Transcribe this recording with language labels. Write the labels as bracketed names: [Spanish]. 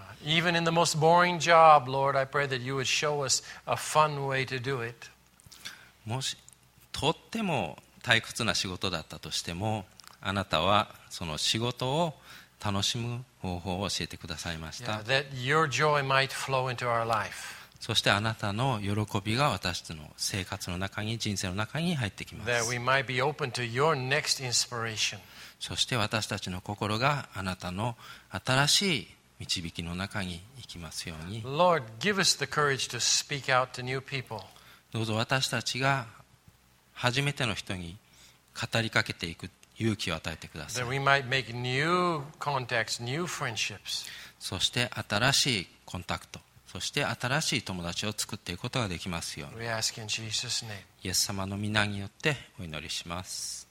[English] Even in the most boring job, Lord, I pray that you would show us a fun way to do it. [Japanese] もしとっても退屈な仕事だったとしても、あなたはその仕事を楽しむ方法を教えてくださいました。 [English] Yeah, that your joy might flow into our life. [Japanese] そしてあなたの喜びが私たちの生活の中に、人生の中に入ってきます。 [English] That we might be open to your next inspiration. [Japanese] そして私たちの心があなたの新しい導きの中に行きますように。 [English] Lord, give us the courage to speak out to new people. [Japanese] どうぞ私たちが初めての人に語りかけていく勇気を与えてください。 [English] That we might make new contacts, new friendships. [Japanese] そして新しいコンタクト、そして新しい友達を作っていくことができますように。 [English] We ask in Jesus' name. [Japanese] イエス様の御名によってお祈りします。